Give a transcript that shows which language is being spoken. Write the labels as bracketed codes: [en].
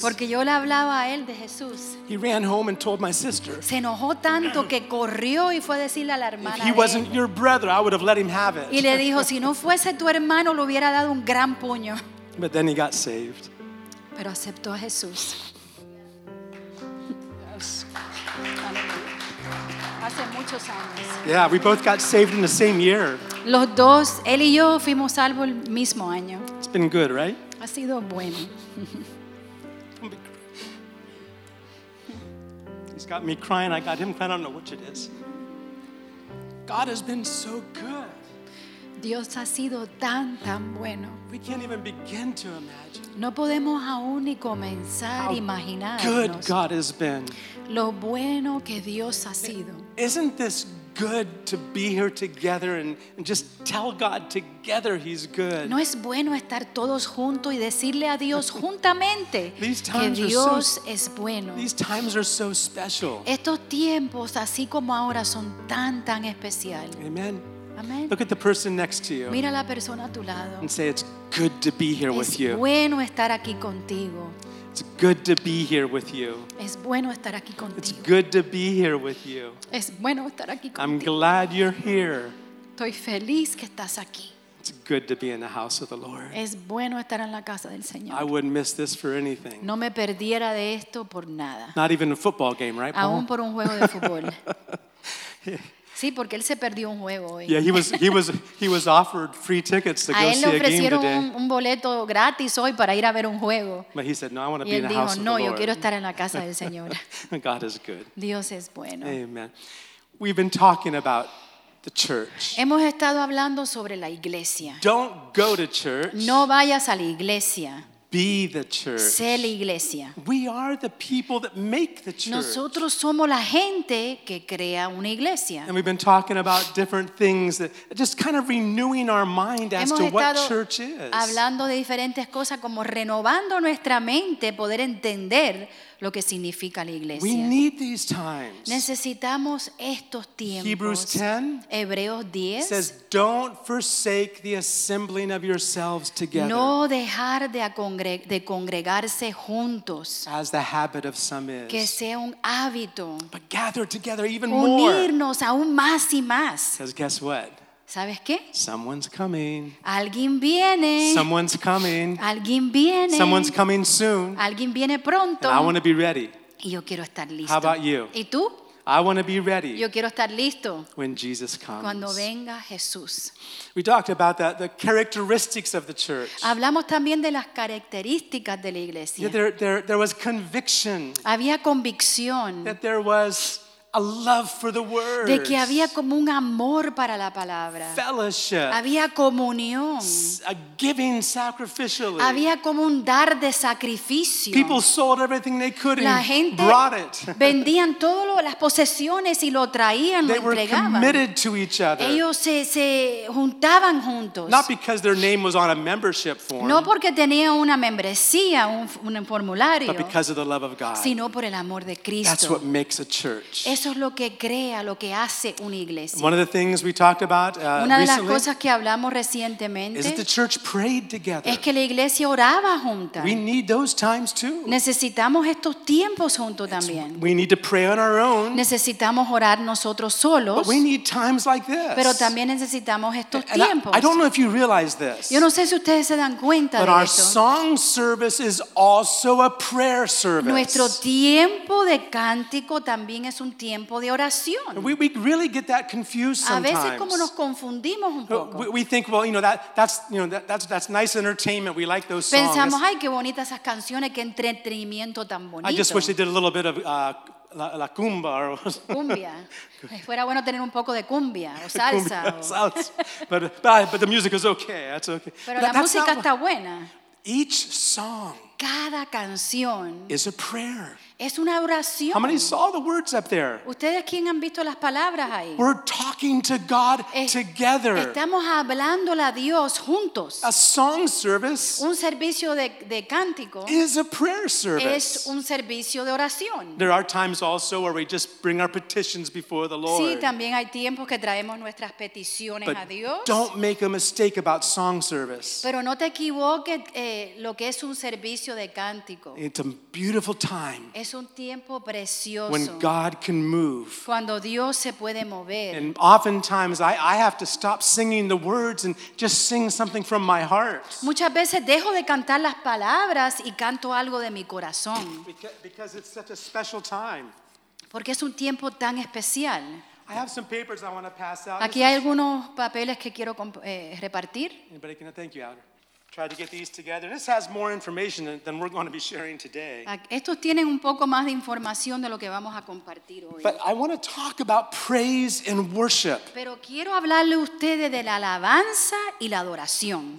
[es] Porque yo le hablaba a él de Jesús. [en] He ran home and told my sister. [es] Se enojó tanto que corrió y fue a decirle a la hermana. [en] If he wasn't your brother, I would have let him have it. [es] Y le dijo, si no fuese tu hermano, le hubiera dado un gran puño. [en] But then he got saved. [es] Pero aceptó a Jesús. [en] Yes. [es] Hace muchos años. [en] Yeah, we both got saved in the same year. [es] Los dos, él y yo, fuimos salvos el mismo año. [en] It's been good, right? [es] Ha sido bueno. [en] He's got me crying. I got him crying. I don't know which it is. God has been so good. [es] Dios ha sido tan, tan bueno. [en] We can't even begin to imagine. [es] No podemos aún ni comenzar a imaginar. [en] Good God has been. [es] Lo bueno que Dios ha sido. [en] Isn't this good to be here together and just tell God together He's good? [es] No es bueno estar todos juntos y decirle a Dios juntamente que Dios es bueno. [en] These times are so special. [es] Estos tiempos, así como ahora, son tan, tan especial. [en] Amen. Look at the person next to you. [es] Mira la persona a tu lado. [en] And say it's good to be here with you. [es] Es bueno estar aquí contigo. [en] It's good to be here with you. [es] Es bueno estar aquí contigo. [en] It's good to be here with you. [es] Es bueno estar aquí contigo. [en] I'm glad you're here. [es] Estoy feliz que estás aquí. [en] It's good to be in the house of the Lord. [es] Es bueno estar en la casa del Señor. [en] I wouldn't miss this for anything. [es] No me perdiera de esto por nada. [en] Not even a football game, right, Paul? [es] Aún por un juego de fútbol. Sí, porque él se perdió un juego hoy. [en] Yeah, he was offered free tickets to go see a game today. [es] A él le ofrecieron un boleto gratis hoy para ir a ver un juego. [en] But he said, "No, I want to be [es] dijo, [en] in the house of the Lord." [es] Yo quiero estar en la casa del Señor. [en] God is good. [es] Dios es bueno. [en] Amen. We've been talking about the church. [es] Hemos estado hablando sobre la iglesia. [en] Don't go to church. [es] No vayas a la iglesia. [en] Be the church. [es] Sé la iglesia. [en] We are the people that make the church. [es] Nosotros somos la gente que crea una iglesia. [en] And we've been talking about different things, that just kind of renewing our mind as to what church is. [es] Hablando de diferentes cosas, como renovando nuestra mente, poder entender lo que significa la iglesia. [en] We need these times. [es] Necesitamos estos tiempos. [en] Hebrews 10, [es] Hebreos 10 [en] says, "Don't forsake the assembling of yourselves together." [es] No dejar de congregarse juntos. [en] As the habit of some is. [es] Que sea un hábito. [en] But gather together even [es] unirnos [en] more. [es] Unirnos aún más y más. [en] Because guess what? [es] ¿Sabes qué? [en] Someone's coming. [es] Alguien viene. [en] Someone's coming. [es] Alguien viene. [en] Someone's coming soon. [es] Alguien viene pronto. [en] And I want to be ready. [es] Y yo quiero estar listo. [en] How about you? [es] ¿Y tú? [en] I want to be ready. [es] Yo quiero estar listo. [en] When Jesus comes. [es] Cuando venga Jesús. [en] We talked about that, the characteristics of the church. [es] Hablamos también de las características de la iglesia. [en] Yeah, there was conviction. [es] Había convicción. [en] That there was a love for the word. [es] De que había como un amor para la palabra. [en] Fellowship. [es] Había comunión. [en] A giving sacrificially. [es] Había como un dar de sacrificio. [en] People sold everything they could [es] la [en] and brought it. [es] Vendían todo lo, las posesiones y lo traían, [en] they [es] lo entregaban. [en] They were committed to each other. [es] Ellos se juntaban juntos. [en] Not because their name was on a membership form. [es] No porque tenía una membresía, un formulario. [en] But because of the love of God. [es] Sino por el amor de Cristo. [en] That's what makes a church. [es] Eso es lo que crea, lo que hace una iglesia. [en] One of the things we talked about, [es] una de las cosas que hablamos recientemente [en] is that the church prayed together. [es] Es que la iglesia oraba junta. [en] We need those times too. [es] Necesitamos estos tiempos juntos también. [en] We need to pray on our own. [es] Necesitamos orar nosotros solos. [en] But we need times like this. [es] Pero también necesitamos estos [en] and [es] tiempos. [en] I don't know if you realize this. [es] Yo no sé si ustedes se dan cuenta [en] but [es] de [en] our [es] esto. [en] Song service is also a prayer service. [es] Nuestro tiempo de cántico también es un tiempo de oración. [en] We really get that confused sometimes. [es] A veces como nos confundimos un poco. [en] We think, well, you know, that's nice entertainment. We like those songs. [es] Pensamos, ay, qué bonitas esas canciones, qué entretenimiento tan bonito. [en] I just wish they did a little bit of la cumbia. [es] Cumbia. Fuera bueno tener un poco de cumbia o salsa. [en] Salsa. But the music is okay. That's okay. [es] Pero la música está buena. [en] Each song. [es] Cada canción [en] is a prayer. [es] Es una oración. [en] How many saw the words up there? [es] ¿Ustedes quién han visto las palabras ahí? [en] We're talking to God together. [es] Estamos hablándole a Dios juntos. [en] A song service, [es] un servicio de cántico, [en] is a prayer service. [es] Es un servicio de oración. [en] There are times also where we just bring our petitions before the Lord. [es] Sí, también hay tiempos que traemos nuestras peticiones [en] but [es] a Dios. [en] Don't make a mistake about song service. [es] Pero no te equivoques lo que es un servicio de cántico. [en] It's a beautiful time. [es] Es un tiempo precioso. [en] When God can move. [es] Cuando Dios se puede mover. [en] And oftentimes I have to stop singing the words and just sing something from my heart. [es] Muchas veces dejo de cantar las palabras y canto algo de mi corazón. [en] Because it's such a special time. [es] Porque es un tiempo tan especial. [en] I have some papers I want to pass out. [es] Aquí hay algunos papeles que quiero repartir. [en] Anybody can thank you, Alder. Try to get these together. This has more information than we're going to be sharing today. [es] Estos tienen un poco más de información de lo que vamos a compartir hoy. [en] But I want to talk about praise and worship. [es] Pero quiero hablarle a ustedes de la alabanza y la adoración.